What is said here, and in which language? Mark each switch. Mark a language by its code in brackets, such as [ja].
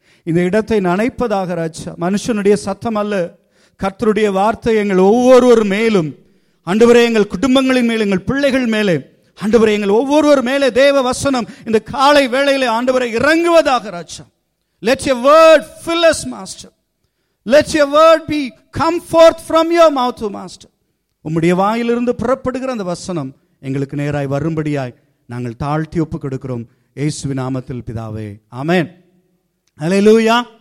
[ta] இந்த இடத்தை நனைப்பதாக ராஜா. மனுஷனுடைய சத்தம் அல்ல, கர்த்தருடைய வார்த்தை எங்கள் ஒவ்வொருவர் மேலும் ஆண்டவரே, எங்கள் குடும்பங்களின் மேலும், எங்கள் பிள்ளைகள் மேலே ஆண்டவரே, எங்கள் ஒவ்வொருவர் மேலே தேவ வசனம் இந்த காலை வேளையிலே ஆண்டவரே இறங்குவதாக ராஜா. [en] Let your word fill us, Master. Let your word be come forth from your mouth, Master. [ta] உம்முடைய வாயிலிருந்து புறப்படுகிற அந்த வசனம் எங்களுக்கு நேராய் வரும்படியாய் நாங்கள் தாழ்த்தி ஒப்புக் கொடுக்கிறோம் இயேசுவின் நாமத்தில் பிதாவே, ஆமென். அல்லேலூயா.